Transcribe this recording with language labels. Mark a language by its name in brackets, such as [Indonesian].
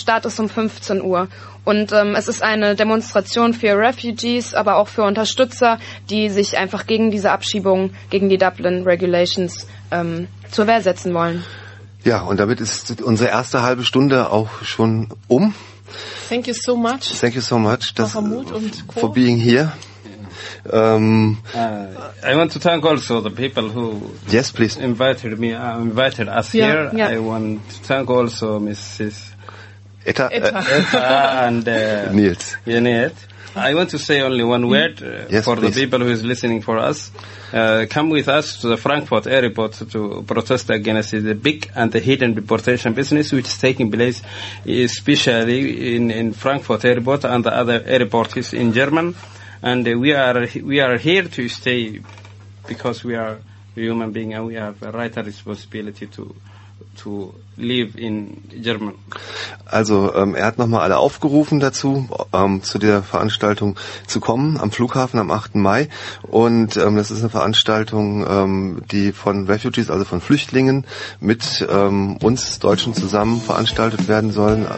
[German] Start ist um 15 Uhr. Und es ist eine Demonstration für Refugees, aber auch für Unterstützer, die sich einfach gegen diese Abschiebung, gegen die Dublin Regulations zur Wehr setzen wollen. Ja, und damit ist unsere erste halbe Stunde auch schon um. [English] Thank you so much. Thank you so much [German] das, Mahmoud und Co. [English] for being here. I want to thank also the people who invited me, invited us here. Yeah. I want to thank also Mrs. Etta and Niels. Yeah, Niels. I want to say only one word for please. The people who is listening for us. Come with us to the Frankfurt airport to protest against the big and the hidden deportation business which is taking place especially in Frankfurt airport and the other airports in Germany. And we are here to stay because we are human being and we have a right and responsibility to live in Germany. [German] Also er hat nochmal alle aufgerufen dazu, zu der Veranstaltung zu kommen am Flughafen am 8. Mai. Und das ist eine Veranstaltung, die von Refugees, also von Flüchtlingen, mit uns Deutschen zusammen veranstaltet werden sollen.